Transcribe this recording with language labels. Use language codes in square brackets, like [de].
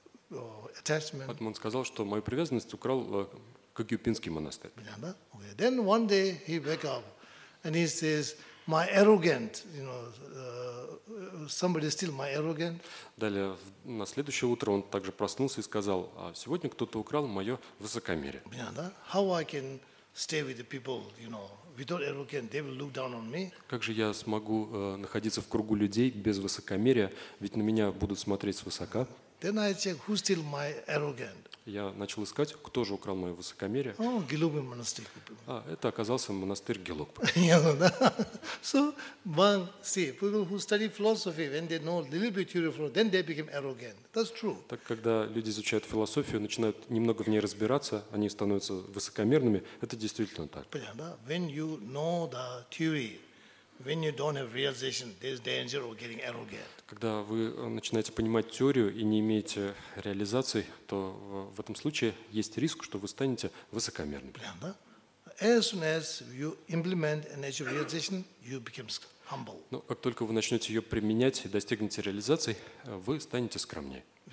[ru] Поэтому он сказал, что мою привязанность украл Кагюпинский монастырь. [en] Then one day he wake up and he says, my arrogant, you know, somebody steal my arrogant. [ru] Далее на следующее утро он также проснулся и сказал, а сегодня кто-то украл мое высокомерие. [en] How I can stay with the people, you know, without arrogance, they will look down on me. [ru] Как же я смогу находиться в кругу людей без высокомерия, ведь на меня будут смотреть свысока? [en] Then I check who steal my arrogance. [ru] Я начал искать, кто же украл мое высокомерие. [en] Oh, Gelugpa monastery. [ru] А это оказался монастырь Gelugpa. [en] So one see people who study philosophy when they know a little bit theory of philosophy, then they become arrogant. That's true. [ru] Так когда люди изучают философию, начинают немного в ней разбираться, они становятся высокомерными. Это действительно так. Понятно. [en] When you know the theory, when you don't have realization, there's danger of getting arrogant. [ru] Когда вы начинаете понимать теорию и не имеете реализации, то в этом случае есть риск, что вы станете высокомерным. [en] As soon as you implement a natural realization, you become humble. [ru] Но как только вы начнете ее применять и достигнете реализации, вы станете скромнее.